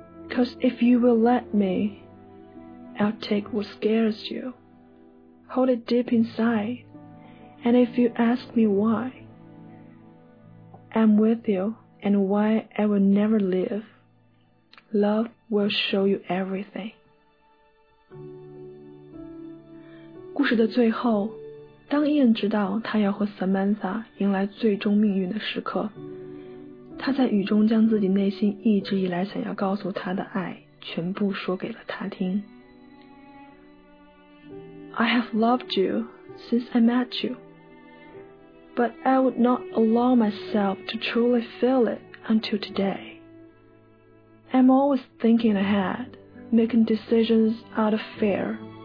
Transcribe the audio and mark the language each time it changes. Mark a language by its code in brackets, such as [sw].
[en] Cause if you will let me, I'll take what scares you. Hold it deep inside, and if you ask me why, I'm with you and why I will never leave. Love will show you everything. [zh] 故事的最后，当伊恩知道他要和 Samantha 迎来最终命运的时刻，他在雨中将自己内心一直以来想要告诉他的爱全部说给了他听。 [en] I have loved you since I met you, but I would not allow myself to truly feel it until today. I'm always thinking ahead, making decisions out of fear.